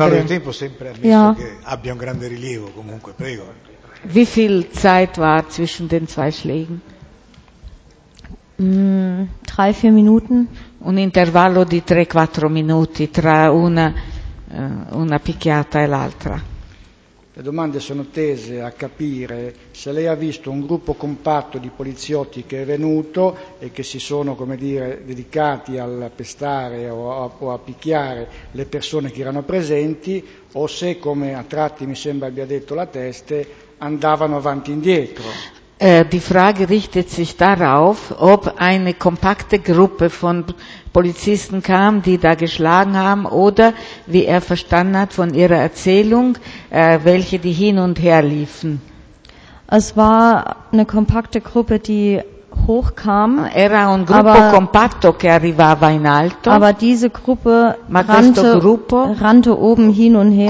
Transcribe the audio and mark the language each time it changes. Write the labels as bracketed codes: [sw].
[it] L'intervallo di tempo sempre ha visto [de] ja. [it] Che abbia un grande rilievo, comunque, prego. [de] Wie viel Zeit war zwischen den zwei Schlägen? 3-4 Minuten. [it] Un intervallo di 3-4 minuti tra una picchiata e l'altra. Le domande sono tese a capire se lei ha visto un gruppo compatto di poliziotti che è venuto e che si sono, come dire, dedicati al pestare o a picchiare le persone che erano presenti o se, come a tratti mi sembra abbia detto la teste, andavano avanti e indietro. [de] Die Frage richtet sich darauf, ob eine kompakte Gruppe von Polizisten kam, die da geschlagen haben, oder, wie er verstanden hat von ihrer Erzählung, welche die hin und her liefen. Es war eine kompakte Gruppe, die hochkam. [it] Era un gruppo compatto che arrivava in alto. [de] Aber diese Gruppe rannte oben hin und her.